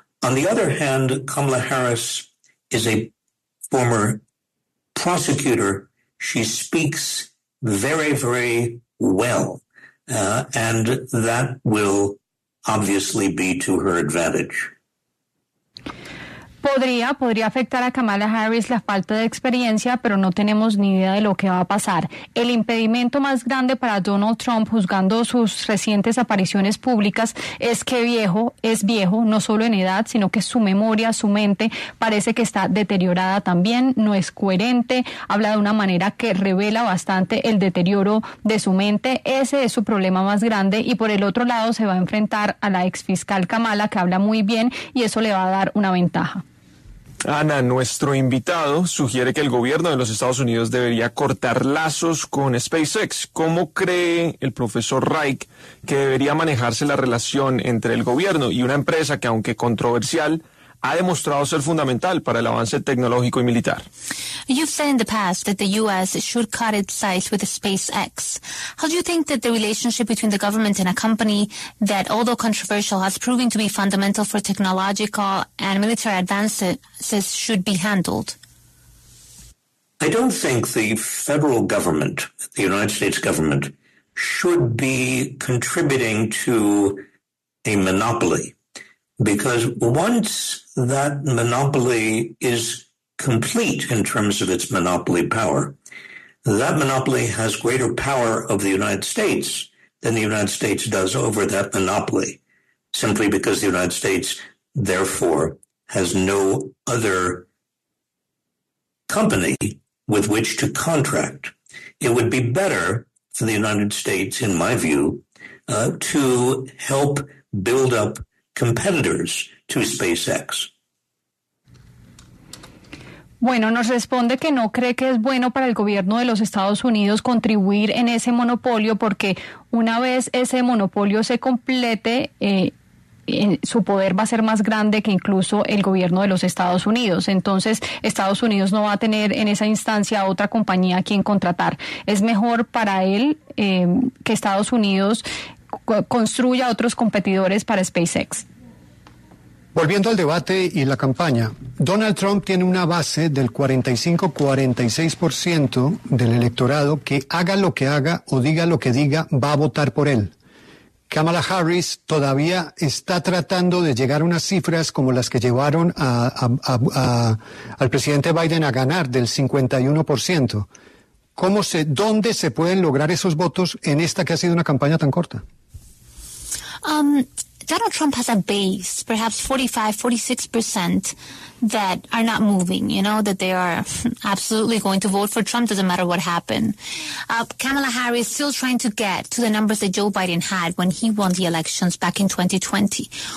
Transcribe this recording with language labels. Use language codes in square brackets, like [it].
[en] On the other hand, Kamala Harris is a former prosecutor. She speaks very, very well, and that will obviously be to her advantage. [es] Podría afectar a Kamala Harris la falta de experiencia, pero no tenemos ni idea de lo que va a pasar. El impedimento más grande para Donald Trump, juzgando sus recientes apariciones públicas, es que es viejo, no solo en edad, sino que su memoria, su mente, parece que está deteriorada también, no es coherente, habla de una manera que revela bastante el deterioro de su mente. Ese es su problema más grande, y por el otro lado se va a enfrentar a la exfiscal Kamala, que habla muy bien, y eso le va a dar una ventaja. Ana, nuestro invitado sugiere que el gobierno de los Estados Unidos debería cortar lazos con SpaceX. ¿Cómo cree el profesor Reich que debería manejarse la relación entre el gobierno y una empresa que, aunque controversial, ha demostrado ser fundamental para el avance tecnológico y militar? [en] You've said in the past that the U.S. should cut its ties with SpaceX. How do you think that the relationship between the government and a company that, although controversial, has proven to be fundamental for technological and military advances should be handled? I don't think the federal government, the United States government, should be contributing to a monopoly. Because once that monopoly is complete in terms of its monopoly power, that monopoly has greater power over the United States than the United States does over that monopoly, simply because the United States, therefore, has no other company with which to contract. It would be better for the United States, in my view, to help build up competitors to SpaceX. [es] Bueno, nos responde que no cree que es bueno para el gobierno de los Estados Unidos contribuir en ese monopolio, porque una vez ese monopolio se complete, su poder va a ser más grande que incluso el gobierno de los Estados Unidos. Entonces, Estados Unidos no va a tener en esa instancia otra compañía a quien contratar. Es mejor para él que Estados Unidos construya otros competidores para SpaceX. Volviendo al debate y la campaña, Donald Trump tiene una base del 45-46% del electorado que, haga lo que haga o diga lo que diga, va a votar por él. Kamala Harris todavía está tratando de llegar a unas cifras como las que llevaron al presidente Biden a ganar, del 51%. ¿Dónde se pueden lograr esos votos en esta que ha sido una campaña tan corta? [en] Donald Trump has a base, perhaps 45-46%, that are not moving, you know, that they are absolutely going to vote for Trump, doesn't matter what happened. Kamala Harris is still trying to get to the numbers that Joe Biden had when he won the elections back in 2020.